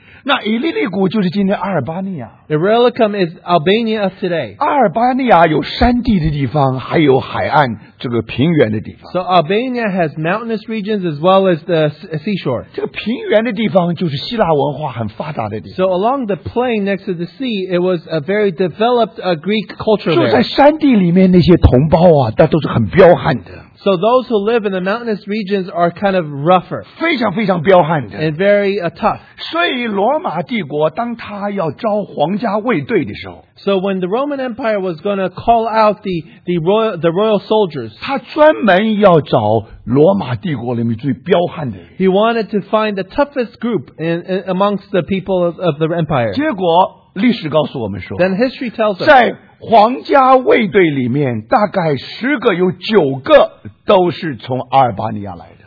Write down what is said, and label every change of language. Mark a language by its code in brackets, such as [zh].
[zh] 那以利利谷就是今天阿尔巴尼亚。 [en] Illyricum is Albania of today. [zh] 阿尔巴尼亚有山地的地方，还有海岸这个平原的地方。 [en] So Albania has mountainous regions as well as the seashore. [zh] 这个平原的地方就是希腊文化很发达的地方。 [en] So along the plain next to the sea, it was a very developed Greek culture there. [zh] 住在山地里面那些同胞啊，那都是很彪悍的。 [en] So those who live in the mountainous regions are kind of rougher. [zh] 非常非常彪悍的。 [en] And very tough. [zh] 所以罗马帝国当他要招皇家卫队的时候。 [en] So when the Roman Empire was going to call out the royal soldiers. [zh] 他专门要找罗马帝国里面最彪悍的人。 [en] He wanted to find the toughest group in amongst the people of the empire. [zh] 结果历史告诉我们说。 [en] Then history tells us. [zh] 在皇家卫队里面大概10个有9个都是从阿尔巴尼亚来的。